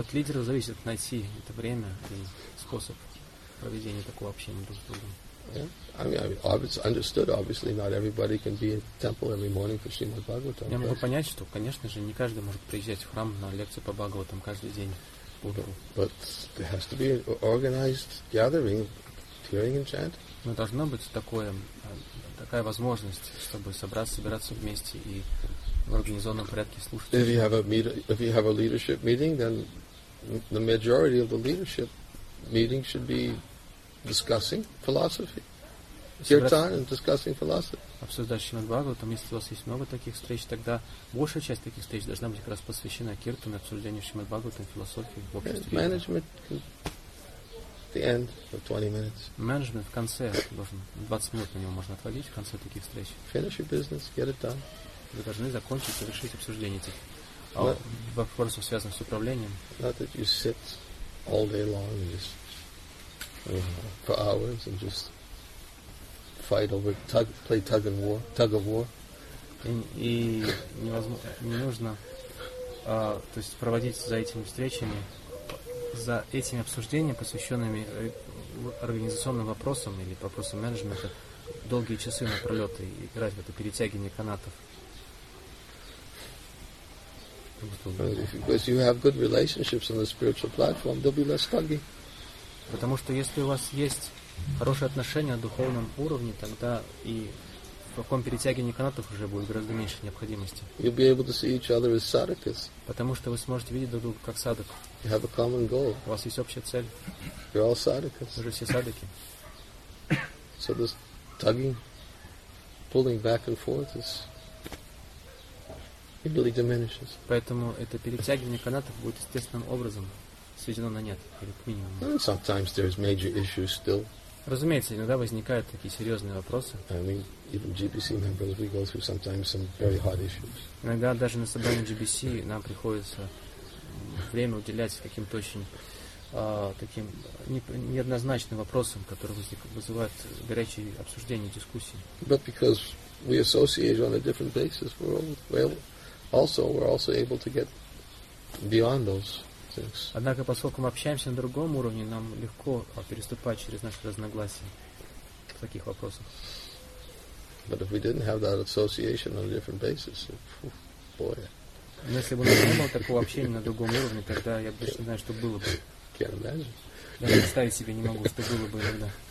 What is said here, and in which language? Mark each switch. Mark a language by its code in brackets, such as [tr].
[ru] От лидера зависит найти это время и способ проведения такого общения друг с другом. [en] Yeah, I mean, it's understood. Obviously, not everybody can be in temple every morning for Srimad Bhagavatam. [ru] Я могу понять, что, конечно же, не каждый может приезжать в храм на лекцию по Бхагаватам каждый день. [en] But there has to be an organized gathering, hearing and chant. [ru] Но должно быть такое, такая возможность, чтобы собираться вместе и в организованном порядке слушать. [en] If you have a leadership meeting, then the majority of the leadership meeting should be discussing philosophy. Kirtan and discussing philosophy. [ru] Обсуждать Шримад Бхагаватам, если у вас есть много таких встреч, тогда большая часть таких встреч должна быть как раз посвящена киртану, обсуждению Шримад Бхагаватам, философии в обществе. [en] Management at the end of 20 minutes. [ru] Management в конце должен, 20 минут на него можно отводить в конце таких встреч. [en] Finish your business, get it done. [ru] Вы должны закончить и решить обсуждение этих вопросов, связанных с управлением. [en] Not that you sit all day long and just for hours and just fight over play tug of war. [ru] И невозможно, не нужно, то есть проводить за этими встречами, за этими обсуждениями, посвященными организационным вопросам или вопросам менеджмента, долгие часы напролет и играть в это перетягивание канатов. [en] Because you have good relationships on the spiritual platform, they'll be less huggy. [ru] Потому что если у вас есть хорошие отношения на духовном уровне, тогда и в каком перетягивании канатов уже будет гораздо меньше необходимости. [en] You'll be able to see each other as sadhakas. [ru] Потому что вы сможете видеть друг друга как садок. [en] You have a common goal. [ru] У вас есть общая цель. [en] You're all sadhakas. [ru] Вы же все садоки. [en] So this tugging, pulling back and forth is it really diminishes. [ru] Поэтому это перетягивание канатов будет естественным образом сведено на нет или к минимуму. [en] And sometimes there's major issues still. [ru] Разумеется, иногда возникают такие серьезные вопросы. [en] I mean, even GBC members, we go through sometimes some very hard issues. [ru] Иногда даже на собрании GBC нам приходится время уделять каким-то очень таким неоднозначным вопросам, которые вызывают горячие обсуждения, дискуссии. [en] But because we associate on a different basis, we're also able to get beyond those. [ru] Однако, поскольку мы общаемся на другом уровне, нам легко переступать через наши разногласия в таких вопросах. [en] But if we didn't have that association on a different basis, boy. [ru] Но если бы у нас не было такого общения на другом уровне, тогда я точно знаю, что было бы. [en] Can't imagine. [ru] Я представить себе не могу, что было бы иногда.